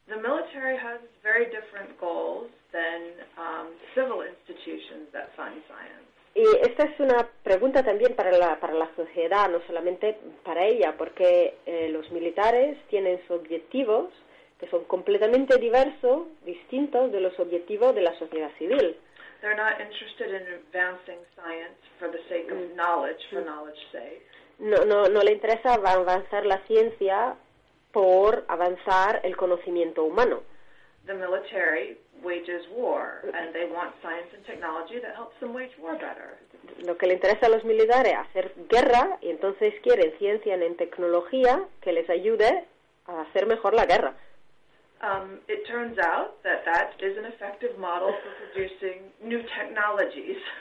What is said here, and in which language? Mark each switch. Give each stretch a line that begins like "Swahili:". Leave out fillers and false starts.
English: The military has very different goals than civil institutions that fund science.
Spanish: Y esta es una pregunta también para la sociedad, no solamente para ella, porque los militares tienen sus objetivos que son completamente diversos, distintos de los objetivos de la sociedad civil.
English: They're not interested in advancing science for the sake of knowledge, for knowledge's sake.
Spanish: No le interesa avanzar la ciencia por avanzar el conocimiento humano.
English: The military wages war, and they want science and technology that helps them wage war better.
Spanish: Lo que le interesa a los militares es hacer guerra, y entonces quieren ciencia y tecnología que les ayude a hacer mejor la guerra.
English: It turns out that that is an effective model for producing new technologies.